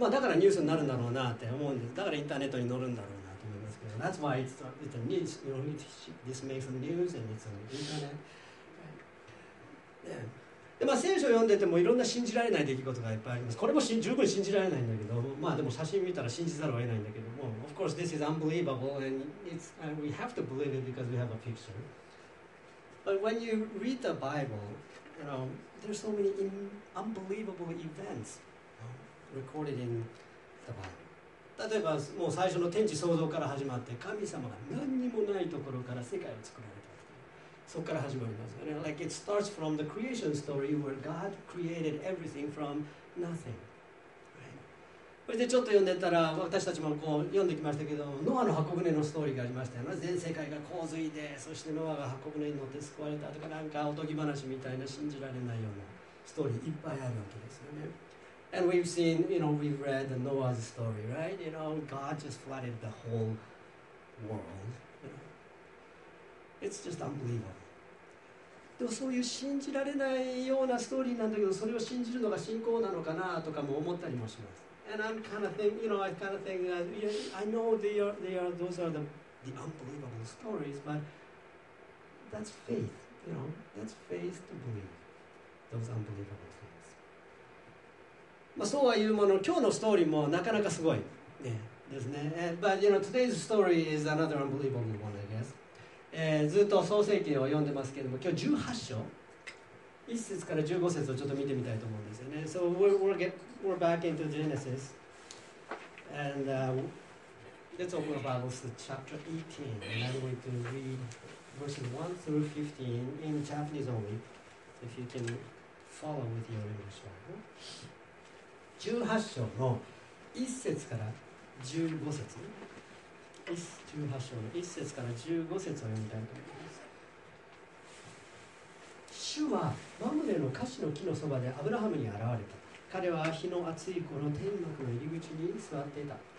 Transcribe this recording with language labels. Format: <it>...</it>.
<ja>まあだからニュースになるんだろうなって思うんです。だからインターネットに載るんだろうなと思いますけど。</ja> <en>That's why it's a news. You know, this makes a news and it's on the internet.</en> <ja>でまあ、聖書を読んでてもいろんな信じられない出来事がいっぱいあります。これも十分信じられないんだけど、まあでも写真見たら信じざるを得ないんだけども、</ja> <en>Of course this is unbelievable and we have to believe it because we have a picture. But when you read the Bible, you know, there's so many unbelievable events recorded in the Bible.</en> <ja>例えばもう最初の天地創造から始まって、神様が何にもないところから世界を作られた。そこから始まります。</ja> <en>And like it starts from the creation story where God created everything from nothing. Right?</en> <ja>それでちょっと読んでたら、私たちもこう読んできましたけど、ノアの箱舟のストーリーがありましたよね。全世界が洪水で、そしてノアが箱舟に乗って救われたとか、なんかおとぎ話みたいな信じられないようなストーリーいっぱいあるわけですよね。</ja> <en>And we've seen, you know, we've read the Noah's story, right? You know, God just flooded the whole world. It's just unbelievable.</en> <ja>でもそういう信じられないようなストーリーなんだけど、それを信じるのが信仰なのかなとかも思ったりもします。</ja> <en>And I'm kind of think, you know, I kind of think that yeah, I know they are those are the unbelievable stories, but that's faith, you know, that's faith to believe those unbelievable things.</en> <ja>まあそうは言うもの、今日のストーリーもなかなかすごいねですね。</ja> <en>But you know, today's story is another unbelievable one, I guess.</en> <ja>ずっと創世記を読んでますけれども、今日18章1節から15節をちょっと見てみたいと思うんですよね。</ja> <en>So we're back into Genesis and let's open the Bible to chapter 18 and I'm going to read verses 1 through 15 in Japanese only if you can follow with your English Bible.</en> <ja>18章の1節から15節18章の1節から15節を読みたいと思います。主はマムレのカシの木のそばでアブラハムに現れた。彼は日の暑い頃天幕の入り口に座っていた。</ja>